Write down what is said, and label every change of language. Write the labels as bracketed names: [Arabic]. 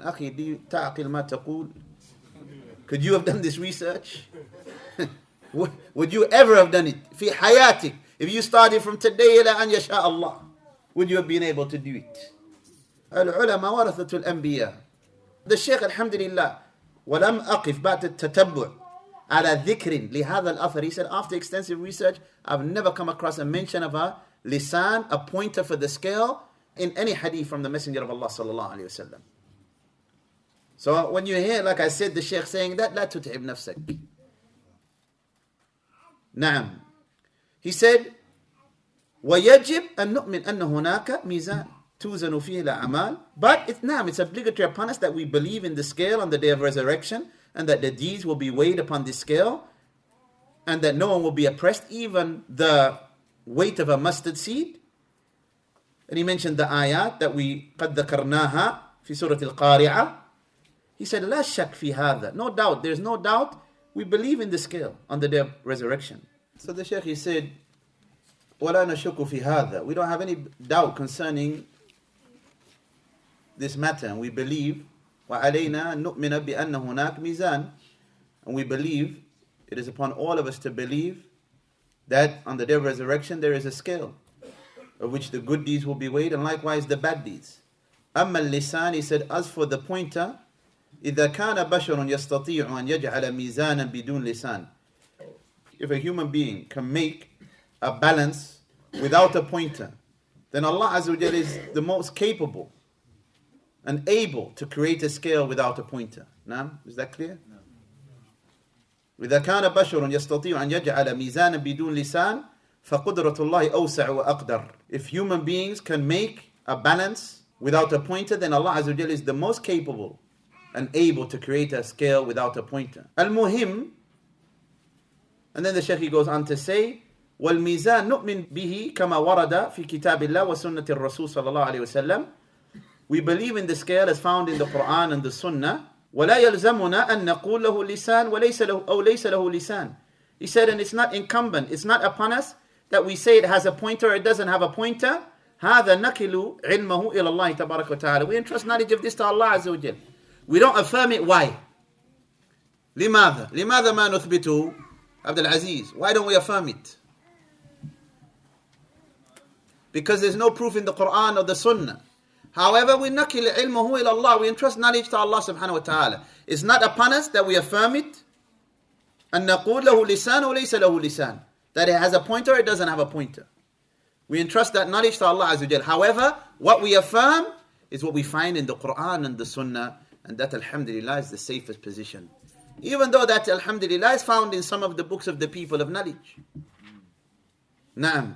[English] Akhi, do you [Arabic] ta'aqil ma taqul? [English] Could you have done this research? Would you ever have done it? [Arabic] Fi hayatik. [English] If you started from today [Arabic] ila an yasha Allah, [English] would you have been able to do it? [Arabic] العلماء ورثة الأنبياء. [English] The Shaykh, alhamdulillah, [Arabic] ولم أقف بعد التتبع على ذكر لهذا الأثر. [English] He said, after extensive research, I've never come across a mention of a lisan, a pointer for the scale, in any hadith from the Messenger of Allah sallallahu alaihi wasallam. So when you hear, like I said, the Shaykh saying that, [Arabic] لا تتعب نفسك. نعم. [English] He said, [Arabic] ويجب أن نؤمن أن هناك ميزان توزن فيه الأعمال. [English] But it's, [Arabic] نعم, [English] it's obligatory upon us that we believe in the scale on the day of resurrection, and that the deeds will be weighed upon this scale, and that no one will be oppressed, even the weight of a mustard seed. And he mentioned the ayat that we [Arabic] قد ذكرناها في سورة القارعة. He said, لا شك في هذا. [English] No doubt, there's no doubt. We believe in the scale on the day of resurrection. So the Shaykh, he said, [Arabic] ولا نشك في هذا. [English] We don't have any doubt concerning this matter. We believe, [Arabic] وعلينا نؤمن بأن هناك ميزان. [English] And we believe, it is upon all of us to believe, that on the day of resurrection there is a scale of which the good deeds will be weighed, and likewise the bad deeds. [Arabic] أما اللسان, [English] he said, as for the pointer, [Arabic] إذا كان بشر يستطيع أن يجعل ميزانا بدون لسان. [English] If a human being can make a balance without a pointer, then Allah Azza wa Jalla is the most capable and able to create a scale without a pointer. Now, is that clear? [Arabic] إذا كان بشر يستطيع أن يجعل ميزانا بدون لسان فقدرة الله أوسع وأقدر. [English] If human beings can make a balance without a pointer, then Allah Azza wa Jalla is the most capable and able to create a scale without a pointer. [Arabic] Al-Muhim, [English] and then the Shaykh goes on to say, [Arabic] وَالْمِيزَانُ نُؤْمِن بِهِ كَمَا وَرَدَ فِي كِتَابِ اللَّهِ وَسُنَّةِ الرَّسُولِ صَلَى اللَّهُ عَلَيْهِ وَسَلَّمُ. [English] We believe in the scale as found in the Quran and the Sunnah. [Arabic] وَلَا يَلْزَمُنَا أَن نَقُولَ لَهُ لِسَانُ [English] وَلَيْسَ لَهُ لِسَانُ. He said, and it's not incumbent, it's not upon us that we say it has a pointer or it doesn't have a pointer. [Arabic] هَذَا نَكِلُ عِلْمَهُ إِلَى اللَّهِ تَبَارَكَ وَتَعَالَى. [English] We entrust knowledge of this to Allah Azza wa Jalla. We don't affirm it. Why? [Arabic] لماذا؟ لماذا ما نثبته؟ عبد العزيز. [English] Why don't we affirm it? Because there's no proof in the Quran or the Sunnah. However, we [Arabic] نكل علمه إلى الله. [English] We entrust knowledge to Allah subhanahu wa ta'ala. It's not upon us that we affirm it. [Arabic] أن نقول له لسان وليس له لسان. [English] That it has a pointer, it doesn't have a pointer. We entrust that knowledge to Allah Azza wa Jalla. However, what we affirm is what we find in the Quran and the Sunnah. And that, alhamdulillah, is the safest position. Even though that, alhamdulillah, is found in some of the books of the people of knowledge. [Arabic] Naam.